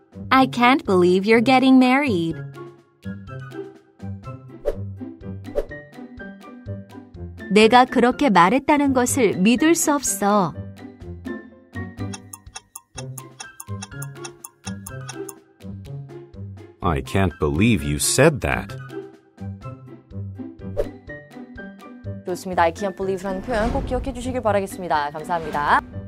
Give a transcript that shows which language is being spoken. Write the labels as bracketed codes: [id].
[en] I can't believe you're getting married. [ko] 내가 그렇게 말했다는 것을 믿을 수 없어. [en] I can't believe you said that. [ko] 좋습니다. [en] I can't believe [ko] 라는 표현 꼭 기억해 주시길 바라겠습니다. 감사합니다.